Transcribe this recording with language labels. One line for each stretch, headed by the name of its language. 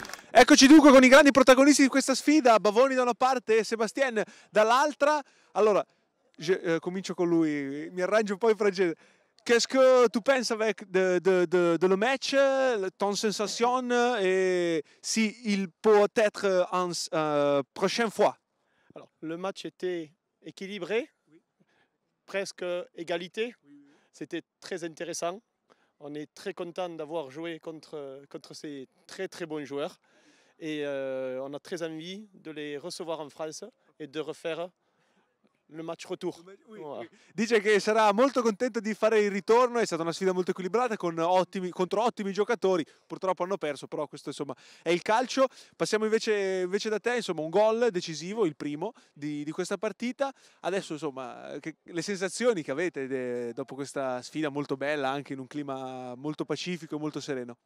Italian: Eccoci dunque con i grandi protagonisti di questa sfida, Bavoni da una parte e Sébastien dall'altra. Allora, comincio con lui, mi arrangio poi fra gente.
French: Qu'est-ce que tu penses avec de le match, ton sensation et si il peut être en prochaine fois? Alors, le match était équilibré, presque égalité, c'était très intéressant. On est très content d'avoir joué contre ces très très bons joueurs. Et on a très envie de les recevoir en France et de refaire le match retour. Oui.
Italian: Dice che sarà molto contento di fare il ritorno, è stata una sfida molto equilibrata contro ottimi giocatori, purtroppo hanno perso, però questo insomma è il calcio. Passiamo invece da te, insomma un gol decisivo, il primo di questa partita. Adesso insomma le sensazioni che avete dopo questa sfida molto bella, anche in un clima molto pacifico e molto sereno.